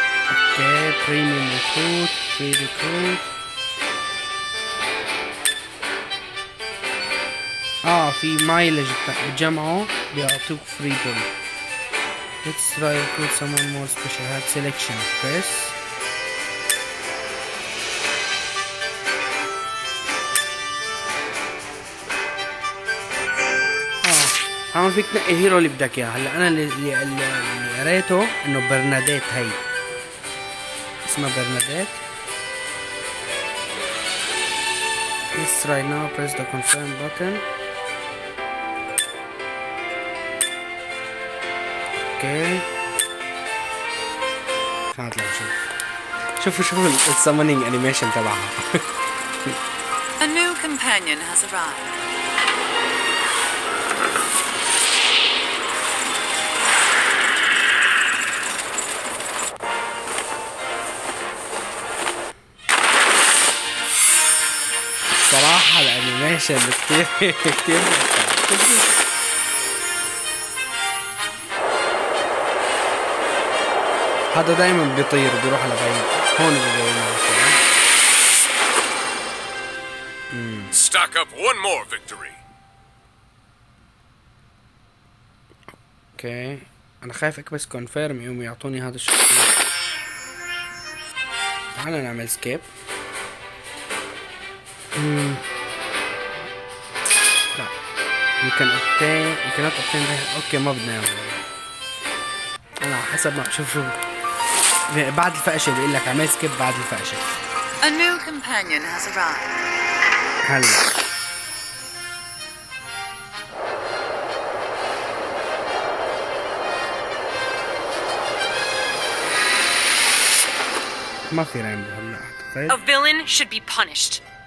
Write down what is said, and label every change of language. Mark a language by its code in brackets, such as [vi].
[ar] اوكي بريميوم ريكروت في ريكروت. في مايلج بتجمعه بيعطوك فريدوم. [en] Let's try to recruit someone more special. Have selection. Press. [ar] هون فيك تنقي هيرو اللي بدك اياه. هلا انا اللي قريته انه برناديت. هي اسمها برناديت. [en] Let's try now. Press the confirm button. [ar] خلينا نشوف. شوفوا السامونينج انيميشن تبعها. [en] A new companion has arrived. [ar] صراحة الانيميشن كتير هذا دائما بيطير بيروح على بعيد. هون بيجي ستاك اب وان مور فيكتوري. اوكي انا خايف اكبس كونفيرم يوم يعطوني هذا الشيء. تعال نعمل سكيب. لا يمكن اتين يمكن اتين. اوكي ما بدنا اياه. انا حسب ما بشوف شو بعد الفقشة بيقول لك عمال سكيب بعد الفقشة. [en] A new companion has arrived. [ar] هلا ما في رينبو هلا. [en] A villain should be punished.